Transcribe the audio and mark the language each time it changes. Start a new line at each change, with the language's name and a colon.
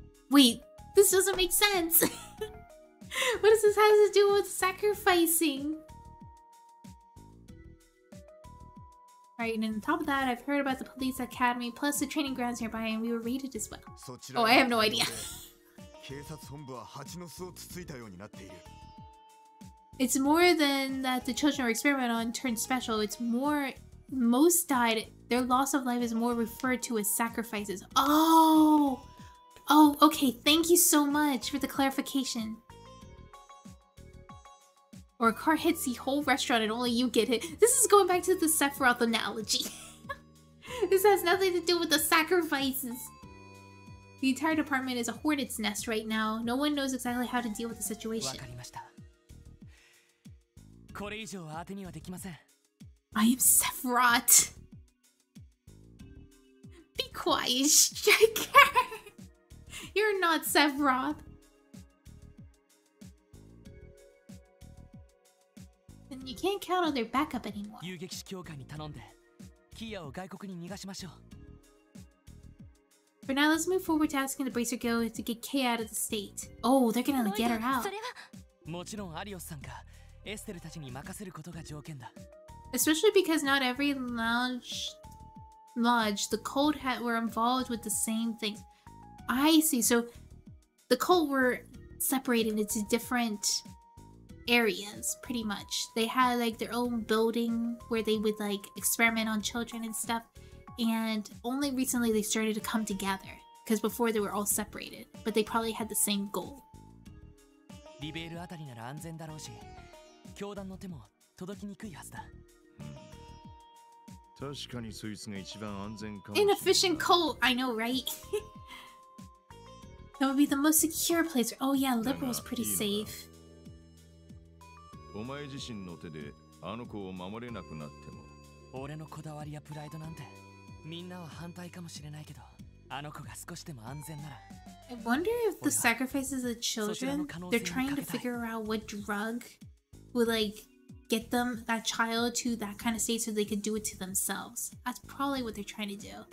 English: Wait, this doesn't make sense. What does this have to do with sacrificing? Right, and on top of that, I've heard about the police academy plus the training grounds nearby, and we were raided as well. Oh, I have no idea.
Japanese: 警察本部は蜂の巣をつついたようになっている。
English: It's more than that the children were experimented on turned special. It's more... Most died, their loss of life is more referred to as sacrifices. Oh, okay, thank you so much for the clarification. Or a car hits the whole restaurant and only you get hit. This is going back to the Sephiroth analogy. This has nothing to do with the sacrifices. The entire department is a hornet's nest right now. No one knows exactly how to deal with the situation.
Japanese: 分かりました。これ以上は当てにはできません。
English: I am Sephiroth. Be quiet, Striker. You're not Sephiroth. And you can't count on their backup anymore.
Japanese: 遊撃士協会に頼んで、キアを外国に逃がしましょう。
English: For now, let's move forward to asking the Bracer Guild to get Kay out of the state. Oh, they're gonna get her out.
Japanese: もちろんアリオスさんか、エステルたちに任せることが条件だ。
English: Especially because not every lodge, the cult had were involved with the same thing. I see. So the cult were separated into different areas, pretty much. They had like their own building where they would like experiment on children and stuff. And only recently they started to come together because before they were all separated, but they probably had the same goal.
Japanese: リベールあたりなら安全だろうし、教団の手も届きにくいはずだ。確かにそいつが一番安全かもしれない。
English: Inefficient cult, I know, right? That would be the most secure place. Oh yeah, liberal's pretty safe.
Japanese: お前自身の手で、あの子を守れなくなっても。俺のこだわりやプライドなんて、みんなは反対かもしれないけど、あの子が少しでも安全なら。
English: I wonder if the sacrifices of children, they're trying to figure out what drug would like... Get them, that child, to that kind of state so they could do it to themselves. That's probably what they're trying to do.